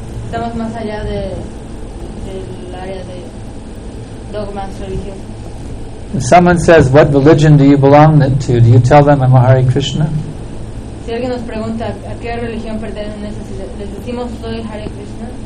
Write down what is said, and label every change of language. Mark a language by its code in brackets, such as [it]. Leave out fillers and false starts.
[es] Estamos más allá del área de dogmas religiosos. [en] If someone says, what religion do you belong to? Do you tell them I'm a Hare Krishna? [es] Si alguien nos pregunta a qué religión perteneces, les decimos soy Hare Krishna.